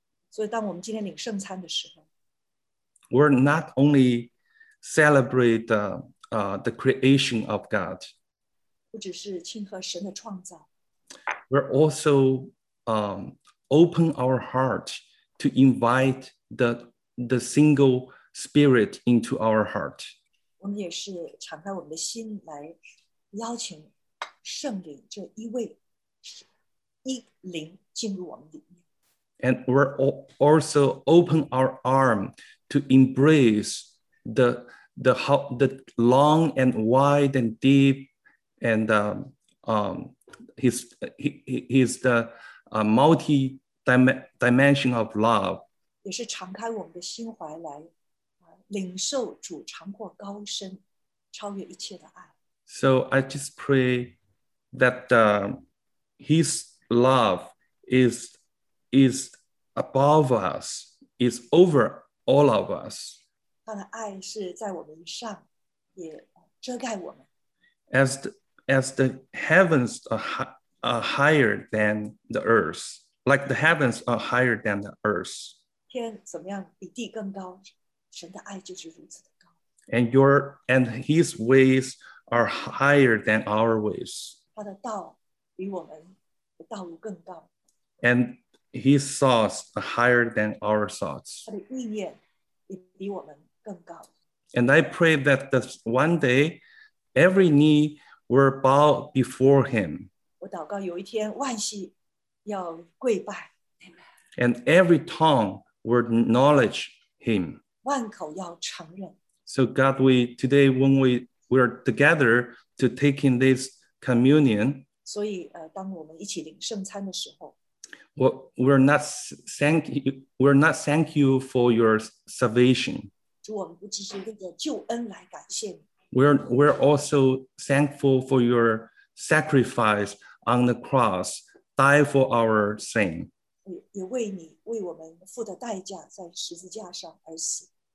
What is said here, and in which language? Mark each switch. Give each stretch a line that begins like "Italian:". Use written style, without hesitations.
Chinese: 所以当我们今天领圣餐的时候。
English: We're not only celebrate the creation of God.
Chinese: 不只是庆贺神的创造。
English: We're also open our heart to invite the single Spirit into our heart.
Chinese: 我们也是敞开我们的心来邀请圣灵这一位一灵进入我们里面。
English: And we're also open our arm to embrace the long and wide and deep and his multi dimension of love.
Chinese: 也是敞开我们的心怀来领受主长阔高深超越一切的爱。
English: So I just pray that his love is above us, is over all of us.
Chinese: 他的爱是在我们上，也遮盖我们。
English: As the heavens are higher than the earth, like the heavens are higher than the earth.
Chinese: 天怎么样比地更高？神的爱就是如此的高。
English: And his ways are higher than our ways.
Chinese: 他的道比我们的道路更高。
English: And his thoughts are higher than our thoughts.
Chinese: 他的意念也比我们更高。
English: And I pray that one day, every knee will bow before him.
Chinese: 我祷告有一天万膝要跪拜。
English: And every tongue will acknowledge him.
Chinese: 万口要承认。
English: So God, today when we are together to take in this communion,
Chinese: 所以当我们一起领圣餐的时候，
English: we're not thank you for your salvation.
Chinese: 主，我们不只是为了救恩来感谢你。
English: We're also thankful for your sacrifice on the cross, die for our sin.
Chinese: 也为你为我们付的代价在十字架上而死。